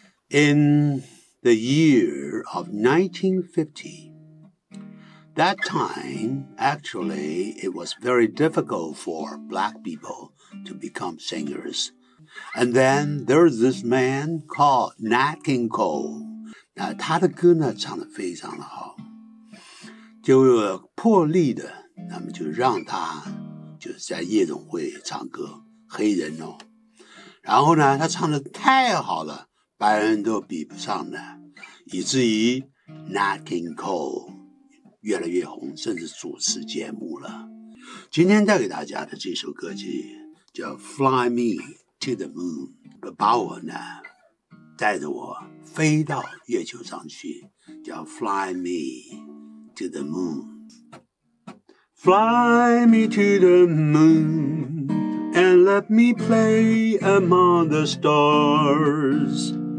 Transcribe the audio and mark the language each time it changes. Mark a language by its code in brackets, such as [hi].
[en] In the year of 1950, that time, actually, it was very difficult for black people to become singers. And then there's this man called Nat King Cole. [zh] 那他的歌呢唱得非常的好，就破例的，那么就让他就是在夜总会唱歌，黑人哦。然后呢，他唱得太好了，白人都比不上的，以至于 Nat King Cole 越来越红，甚至主持节目了。今天带给大家的这首歌曲叫《Fly Me to the Moon》，把我呢。带着我飞到月球上去，叫 Fly me to the moon. [en] Fly me to the moon and let me play among the stars.